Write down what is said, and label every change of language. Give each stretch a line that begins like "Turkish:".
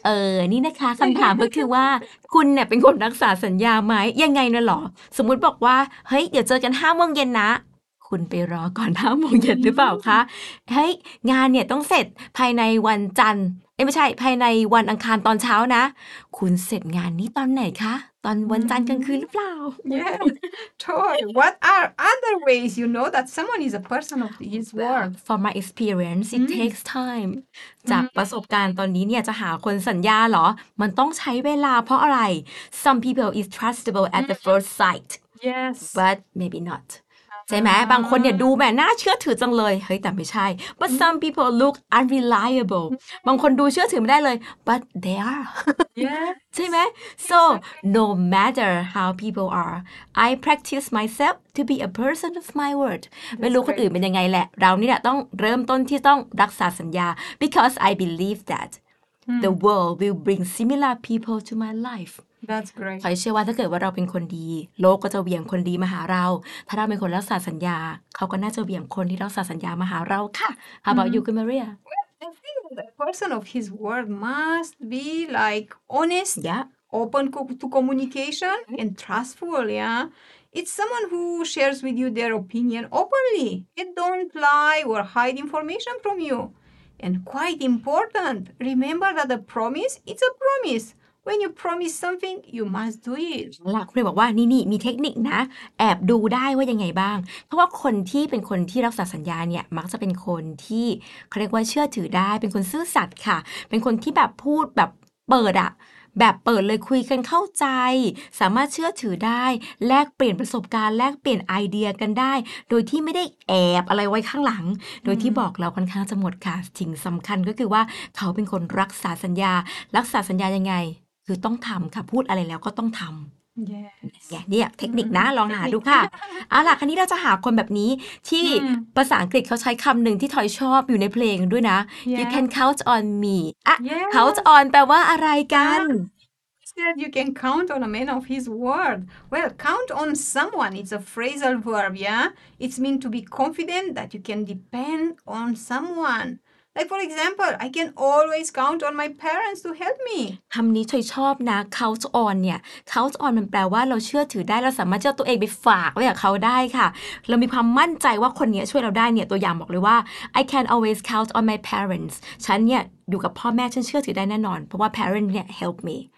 Thai: เออนี่นะคะคำถามก็คือว่าคุณเนี่ยเป็นคนรักษาสัญญาไหมยังไงน่ะหรอสมมติบอกว่าเฮ้ยเดี๋ยวเจอกัน5 โมงเย็นนะคุณไปรอก่อน5 โมงเย็นหรือเปล่าคะเฮ้ยงานเนี่ยต้องเสร็จภายในวันจันทร์ไม่ใช่ภายในวันอังคารตอนเช้านะคุณเสร็จงานนี้ตอนไหนคะตอนวันจันทร์กลางคืนหรือเปล่า
English: Yeah Toy What are other ways you know that someone is a person of his word From my experience it takes time
Thai: จากประสบการณ์ตอนนี้เนี่ยจะหาคนสัญญาหรอมันต้องใช้เวลาเพราะอะไร
English: Some people is trustable at the first sight Yes But maybe not
Thai: ใช่ไหมบางคนเนี่ยดูแหมน่าเชื่อถือจังเลยเฮ้ยแต่ไม่ใช่
English: but some people look unreliable
Thai: บางคนดูเชื่อถือไม่ได้เลย
English: but they are yes.
Thai: ใช่ไหม
English: so no matter how people are I practice myself to be a person of my word That's
Thai: ไม่รู้คนอื่นเป็นยังไงแหละเรานี่แหละต้องเริ่มต้นที่ต้องรักษาสัญญา
English: because I believe that the world will bring similar people to my life That's great.
Thai: ขอให้เชื่อว่าถ้าเกิดว่าเราเป็นคนดีโลกก็จะเหวี่ยงคนดีมาหาเราถ้าเราเป็นคนรักษาสัญญาเขาก็น่าจะเหวี่ยงคนที่รักษาสัญญามาหาเราค่ะ
English: How about you, Maria? Well, I think the person of his word must be like honest, yeah. open to communication, and trustful, yeah? It's someone who shares with you their opinion openly. They don't lie or hide information from you. And quite important, remember that a promise is a promise. When you promise something, you must do it.
Thai: หลักคุณบอกว่านี่ๆมีเทคนิคนะแอบดูได้ว่ายังไงบ้างเพราะว่าคนที่เป็นคนที่รักษาสัญญาเนี่ยมักจะเป็นคนที่เขาเรียกว่าเชื่อถือได้เป็นคนซื่อสัตย์ค่ะเป็นคนที่แบบพูดแบบเปิดอะแบบเปิดเลยคุยกันเข้าใจ สามารถเชื่อถือได้แลกเปลี่ยนประสบการณ์แลกเปลี่ยนไอเดียกันได้โดยที่ไม่ได้แอบอะไรไว้ข้างหลังโดยที่บอกเราค่อนข้างจะหมดค่ะสิ่งสำคัญก็คือว่าเขาเป็นคนรักษาสัญญารักษาสัญญายังไงคือต้องทำค่ะพูดอะไรแล้วก็ต้องทำ แ กเนี่ยเทคนิคนะลองหาดูค่ะเอาล่ะคราวนี้เราจะหาคนแบบนี้ที่ภาษาอังกฤษเขาใช้คำหนึ่งที่ทอยชอบอยู่ในเพลงด้วยนะ
English: You can count on me
Thai: อ่ะ count on แปลว่าอะไรกัน
English: Said you can count on a man of his word. Well, count on someone. It's a phrasal verb, yeah. It's mean to be confident that you can depend on someone. Like for example, I can always count on my parents to help me.
Thai: คำนี้ทอยชอบนะ count on เนี่ย count on มันแปลว่าเราเชื่อถือได้เราสามารถเชื่อตัวเองไปฝากไว้กับเขาได้ค่ะเรามีความมั่นใจว่าคนนี้ช่วยเราได้เนี่ยตัวอย่างบอกเลยว่า
English: I can always count on my parents.
Thai: ฉันเนี่ยอยู่กับพ่อแม่ฉันเชื่อถือได้แน่นอนเพราะว่า parents เนี่ย
English: help me.